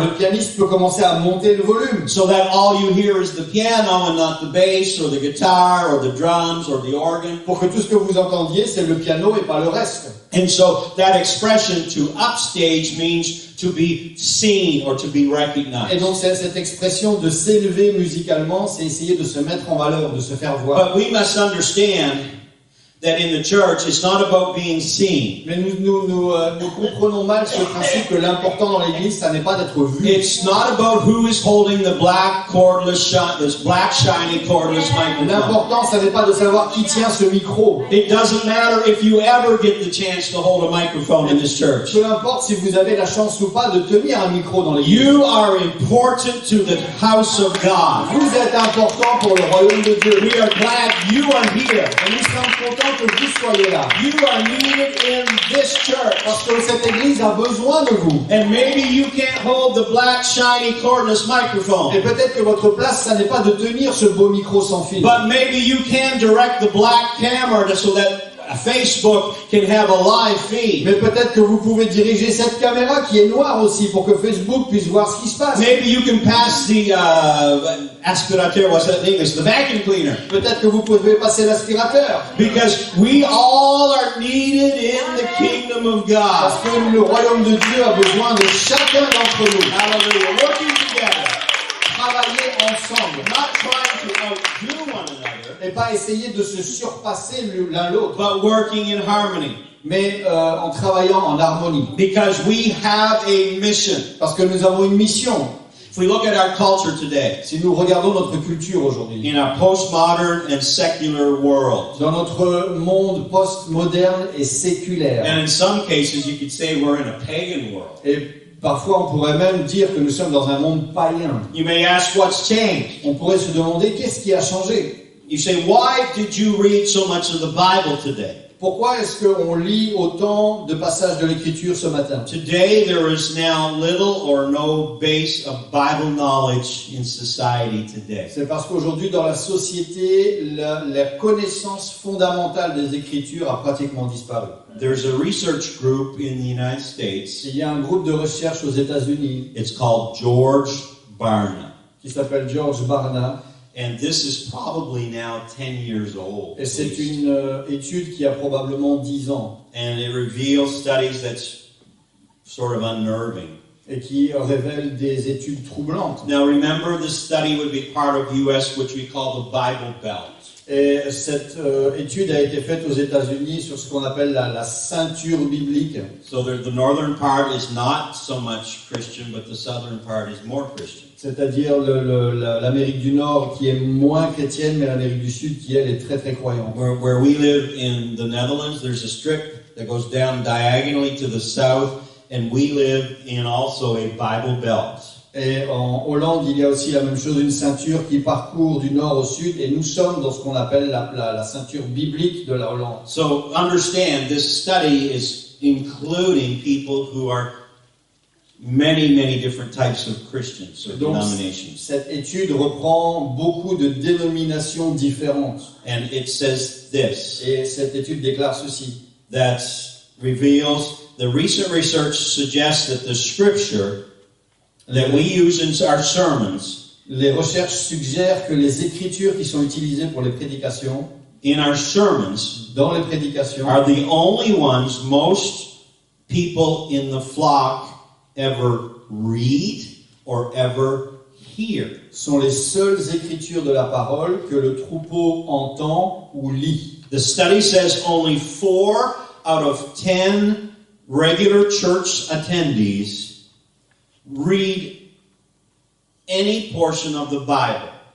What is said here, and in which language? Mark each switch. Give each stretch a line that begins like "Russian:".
French: Le pianiste peut commencer à monter le volume.
English: So that all you hear is the piano and not the bass or the guitar or the drums or the organ.
French: Pour que tout ce que vous entendiez, c'est le piano et pas le reste.
English: And so that expression to upstage means to be seen or to be recognized.
French: Et donc cette expression de s'élever musicalement, c'est essayer de se mettre en valeur, de se faire voir.
English: But we must understand that in the church, it's not about being seen.
French: Mais nous comprenons mal ce principe que l'important dans l'église, ça n'est pas d'être vu.
English: It's not about who is holding the black cordless shot, this black shiny cordless microphone.
French: L'important, ça n'est pas de savoir qui tient ce micro.
English: It doesn't matter if you ever get the chance to hold a microphone in this church.
French: Peu importe si vous avez la chance ou pas de tenir un micro dans l'église.
English: You are important to the house of God.
French: Vous êtes important pour le royaume de Dieu.
English: We are glad you are here.
French: Que vous soyez là.
English: You are needed in this church.
French: Parce que cette église a besoin de vous.
English: And maybe you can't hold the black shiny cordless microphone.
French: Et peut-être que votre place, ça n'est pas de tenir ce beau micro sans fil.
English: But maybe you can direct the black camera so that Facebook can have a live feed.
French: Mais peut-être que vous pouvez diriger cette caméra qui est noire aussi pour que Facebook puisse voir ce qui se passe.
English: Maybe you can pass the aspirateur, what's that in English? The vacuum cleaner.
French: Peut-être que vous pouvez passer l'aspirateur.
English: Because we all are needed in the kingdom of God.
French: Parce que le royaume de Dieu a besoin de chacun d'entre nous.
English: Hallelujah. Working together.
French: Travailler ensemble. ensemble.
English: Not trying to outdo one another.
French: Et pas essayer de se surpasser l'un l'autre.
English: But working in harmony.
French: Mais en travaillant en harmonie.
English: Because we have a mission.
French: Parce que nous avons une mission.
English: If we look at our culture today,
French: si nous regardons notre culture aujourd'hui,
English: in our postmodern and secular world,
French: dans notre monde postmoderne et séculaire,
English: and in some cases you could say we're in a pagan world.
French: Et parfois on pourrait même dire que nous sommes dans un monde païen.
English: You may ask what's changed.
French: On pourrait se demander qu'est-ce qui a changé.
English: You say, why did you read so much of the Bible today?
French: Pourquoi est-ce qu'on lit autant de passages de l'Écriture ce matin?
English: Today there is now little or no base of Bible knowledge in society today.
French: C'est parce qu'aujourd'hui dans la société, la connaissance fondamentale des Écritures a pratiquement disparu.
English: There's a research group in the United States.
French: Il y a un groupe de recherche aux États-Unis.
English: It's called George Barna.
French: Qui s'appelle George Barna.
English: And this is probably now 10 years old.
French: Et c'est une étude qui a probablement 10 ans.
English: And it reveals studies that's sort of unnerving.
French: Et qui révèle des études troublantes.
English: Now remember, this study would be part of US, which we call the Bible Belt.
French: Et cette étude a été faite aux États-Unis sur ce qu'on appelle la ceinture biblique.
English: So the northern part is not so much Christian, but the southern part is more Christian.
French: C'est-à-dire l'Amérique du Nord qui est moins chrétienne, mais l'Amérique du Sud qui, elle, est très très croyante.
English: Where we live in the Netherlands, there's a strip that goes down diagonally to the south, and we live in also a Bible Belt.
French: Et en Hollande, il y a aussi la même chose, une ceinture qui parcourt du nord au sud, et nous sommes dans ce qu'on appelle la ceinture biblique de la Hollande.
English: So understand, this study is including people who are many, many different types of Christians or denominations.
French: Cette étude reprend beaucoup de dénominations différentes.
English: And it says this.
French: Et cette étude déclare ceci.
English: That reveals the recent research suggests that the scripture that we use in our sermons,
French: les recherches suggèrent que les écritures qui sont utilisées pour les prédications,
English: in our sermons,
French: dans les prédications,
English: are the only ones most people in the flock ever read or ever hear.
French: Sont les seules écritures de la parole que le troupeau entend ou lit.
English: The study says only 4 out of 10 regular church attendees read any portion of the Bible.